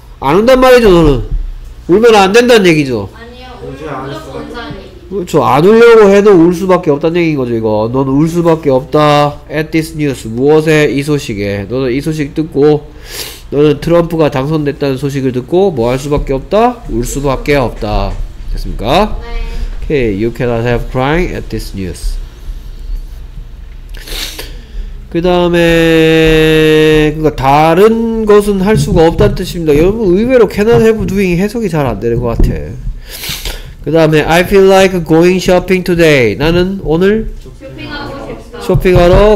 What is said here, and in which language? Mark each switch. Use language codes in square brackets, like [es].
[ko] 안 운단 말이죠, 너는. 울면 안 된다는 얘기죠. 아니요. 그렇죠. 안 울려고 해도 울 수밖에 없다는 얘기인 거죠, 이거. 넌 울 수밖에 없다. [en] At this news. [ko] 무엇에? 이 소식에. 너는 이 소식 듣고, 너는 트럼프가 당선됐다는 소식을 듣고, 뭐 할 수밖에 없다? 울 수밖에 없다. 됐습니까? 네. [en] Okay, you cannot help crying at this news. [ko] 그 다음에 그러니까 다른 것은 할 수가 없다는 뜻입니다. 여러분 의외로 can I have doing 해석이 잘 안 되는 것 같아. 그 다음에 [en] I feel like going shopping today. [ko] 나는 오늘 쇼핑하러